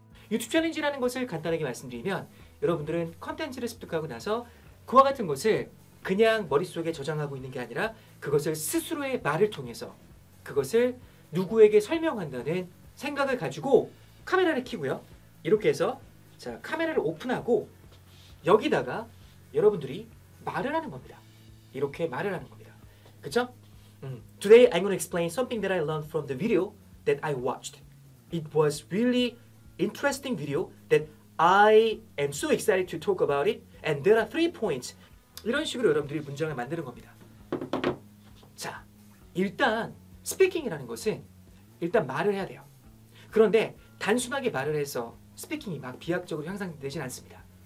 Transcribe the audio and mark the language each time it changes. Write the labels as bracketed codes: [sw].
[ko] 유튜브 챌린지라는 것을 간단하게 말씀드리면 여러분들은 컨텐츠를 습득하고 나서 그와 같은 것을 그냥 머릿속에 저장하고 있는 게 아니라 그것을 스스로의 말을 통해서 그것을 누구에게 설명한다는 생각을 가지고 카메라를 켜고요. 이렇게 해서 자 카메라를 오픈하고 여기다가 여러분들이 말을 하는 겁니다. 이렇게 말을 하는 겁니다. 그쵸? [en] Today I'm going to explain something that I learned from the video that I watched. It was really interesting video that I am so excited to talk about it. And there are three points. [ko] 이런 식으로 여러분들이 문장을 만드는 겁니다. 자, 일단 스피킹이라는 것은 일단 말을 해야 돼요. 그런데 단순하게 말을 해서 스피킹이 막 비약적으로 향상되진 않습니다.